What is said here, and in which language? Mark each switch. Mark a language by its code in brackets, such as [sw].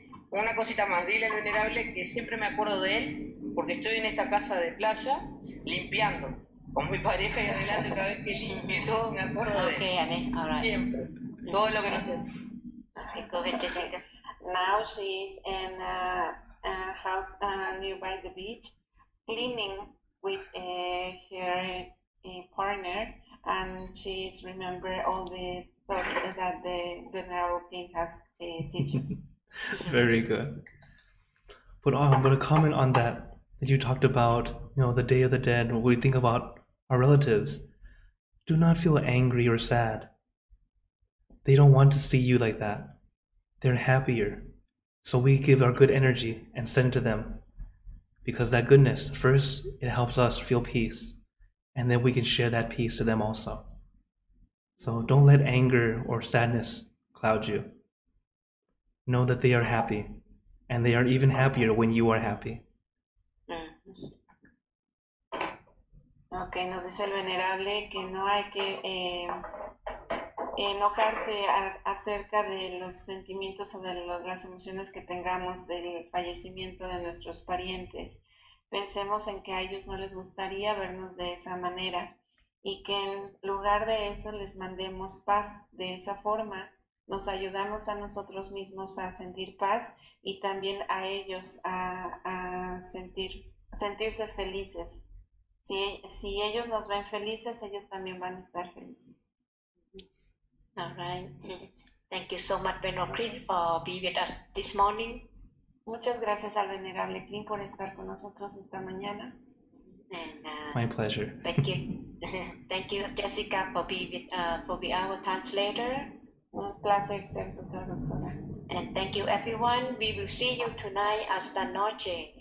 [es] Una cosita más, dile al venerable que siempre me acuerdo de él porque estoy en esta casa de playa limpiando con mi pareja y adelante cada vez que limpie todo me acuerdo de él. [en] Okay, Anne, all right. [es] Siempre. Todo lo que nos hace. [en] Okay, go ahead, Jessica. Now she is in a house nearby the beach cleaning with her partner and she is remember all the thoughts that the venerable king has teaches. Very good. But I'm going to comment on that, that you talked about, you know, the Day of the Dead, what we think about our relatives. Do not feel angry or sad. They don't want to see you like that. They're happier. So we give our good energy and send it to them. Because that goodness, first, it helps us feel peace. And then we can share that peace to them also. So don't let anger or sadness cloud you. Know that they are happy, and they are even happier when you are happy. [es] Okay, nos dice el venerable que no hay que enojarse acerca de los sentimientos o de las emociones que tengamos del fallecimiento de nuestros parientes. Pensemos en que a ellos no les gustaría vernos de esa manera, y que en lugar de eso les mandemos paz de esa forma. Nos ayudamos a nosotros mismos a sentir paz y también a ellos a sentirse felices. Si ellos nos ven felices, ellos también van a estar felices. [en] All right. Thank you so much, Benocrin, for being with us this morning. [es] Muchas gracias al venerable Clint por estar con nosotros esta mañana. [en] My pleasure. Thank you. Thank you, Jessica, for being our translator. [es] Un placer ser su traductora. [en] And thank you everyone. We will see you tonight [es] hasta noche.